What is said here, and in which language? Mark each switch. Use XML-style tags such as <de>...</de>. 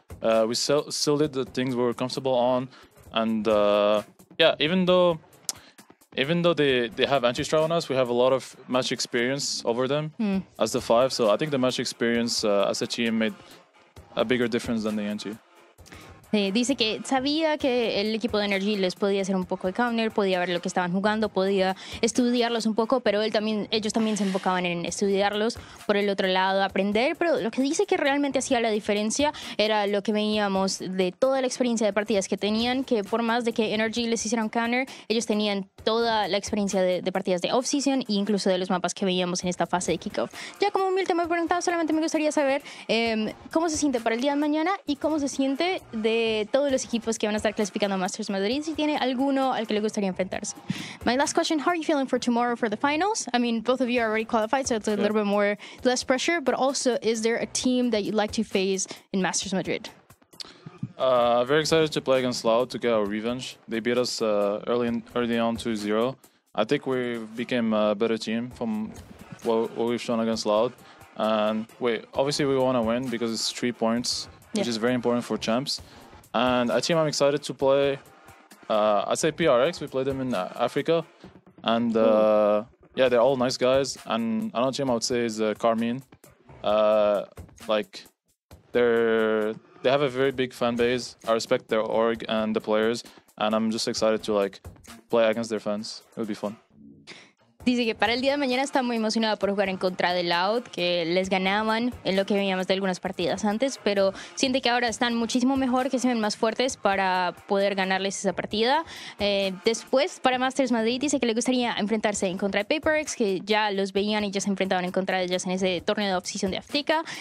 <en>We still did the things we were comfortable on, and even though they have anti strat on us, we have a lot of match experience over them as the five. So I think the match experience as a team made a bigger difference than the anti.</en> <es>Dice que sabía que el equipo de NRG les podía hacer un poco de counter, podía ver lo que estaban jugando, podía estudiarlos un poco, pero ellos también se enfocaban en estudiarlos por el otro lado, aprender. Pero lo que dice que realmente hacía la diferencia era lo que veíamos de toda la experiencia de partidas que tenían, que por más de que NRG les hicieron counter, ellos tenían toda la experiencia de partidas de off-season e incluso de los mapas que veíamos en esta fase de kickoff. Ya como humilde me he preguntado, solamente me gustaría saber cómo se siente para el día de mañana y cómo se siente de todos los equipos que van a estar clasificando Masters Madrid, si tiene alguno al que le gustaría enfrentarse.</es> <en>My last question, how are you feeling for tomorrow for the finals? I mean, both of you are already qualified, so it's a little bit more less pressure, but also, is there a team that you'd like to face in Masters Madrid? Very excited to play against Loud to get our revenge. They beat us early on 2-0. I think we became a better team from what we've shown against Loud. And obviously we want to win because it's 3 points, which is very important for champs. And a team I'm excited to play, I'd say PRX. We play them in Africa. And they're all nice guys. And another team I would say is Carmine. They have a very big fan base. I respect their org and the players. And I'm just excited to like play against their fans. It would be fun.</en> <es>Dice que para el día de mañana está muy emocionada por jugar en contra de Loud, que les ganaban en lo que veíamos de algunas partidas antes, pero siente que ahora están muchísimo mejor, que se ven más fuertes para poder ganarles esa partida. Después, para Masters Madrid, dice que le gustaría enfrentarse en contra de PaperX, que ya los veían y ya se enfrentaban en contra de ellas en ese torneo de off-season de Azteca.</es>